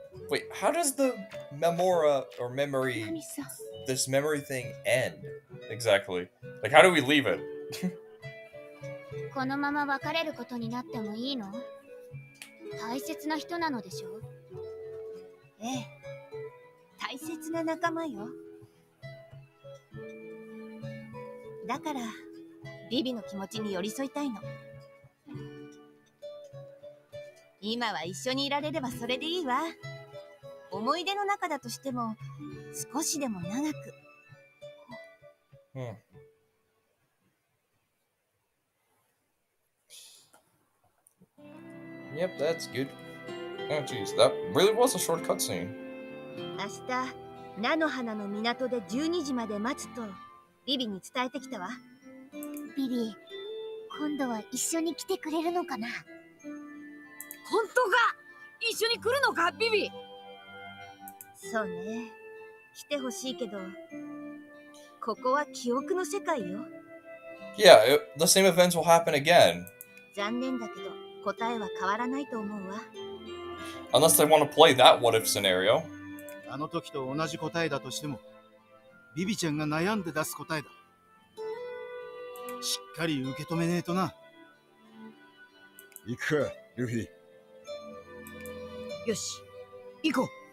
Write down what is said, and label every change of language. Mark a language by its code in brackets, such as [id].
[en] Wait, how does the memora or memory, this memory thing end? Exactly. Like, how do we leave it? [ja] このまま別れることになってもいいの？大切な人なのでしょう？ええ、大切な仲間よ。だから、ビビの気持ちに寄り添いたいの。今は一緒にいられればそれでいいわ。思い出の中だとしても、少しでも長く。 [en] Hmm. Yep, that's good. Oh, geez, that really was a short cutscene. [ja] 明日、菜の花の港で12時まで待つと、ビビに伝えてきたわ。ビビ、今度は一緒に来てくれるのかな？本当か？一緒に来るのか、ビビ？そうね、来てほしいけど、ここは記憶の世界よ。 [en] Yeah, the same events will happen again. [ja] 残念だけど、答えは変わらないと思うわ。 [en] Unless they want to play that what if scenario. [ja] あの時と同じ答えだとしても、ビビちゃんが悩んで出す答えだ。しっかり受け止めねえとな。行くか、ルフィ。よし、行こう。